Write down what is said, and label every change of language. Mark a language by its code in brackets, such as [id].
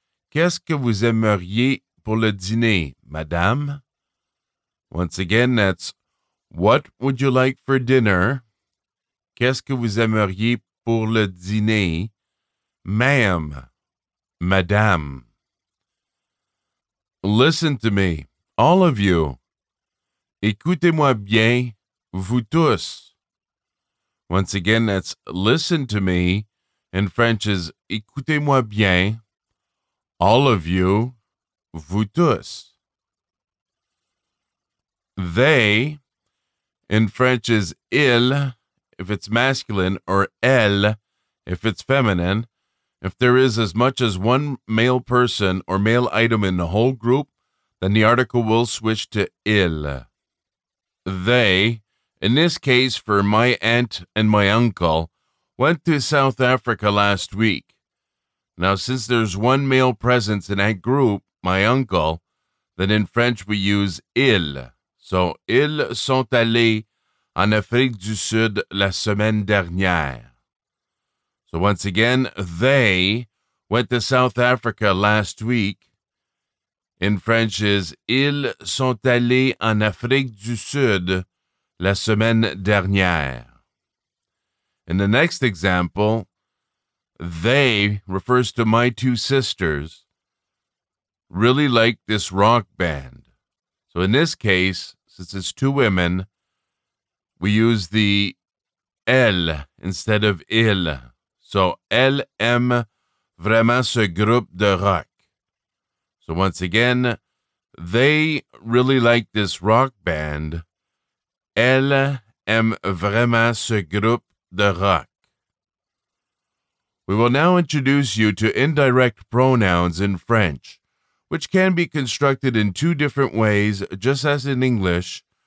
[fr] Qu'est-ce que vous aimeriez pour le dîner, madame? [en] Once again, that's, what would you like for dinner? [fr] Qu'est-ce que vous aimeriez pour le dîner? [en] Ma'am, madame. Listen to me, all of you. [fr] Écoutez-moi bien, vous tous. [en] Once again, that's, listen to me, in French is, [fr] écoutez-moi bien, [en] all of you, [fr] vous tous. [en] They, in French, is il, if it's masculine, or elle, if it's feminine. If there is as much as one male person or male item in the whole group, then the article will switch to il. They, in this case for my aunt and my uncle, went to South Africa last week. Now, since there's one male presence in that group, my uncle, then in French we use il. [fr] So, ils sont allés en Afrique du Sud la semaine dernière. [en] So, once again, they went to South Africa last week. In French is, [fr] ils sont allés en Afrique du Sud la semaine dernière. [en] In the next example, they refers to my two sisters really like this rock band. So, in this case, since it's two women, we use the elle instead of il. [fr] So, elle aime vraiment ce groupe de rock. [en] So, once again, they really like this rock band. [fr] Elle aime vraiment ce groupe de rock. [en] We will now introduce you to indirect pronouns in French, which can be constructed in two different ways, just as in English.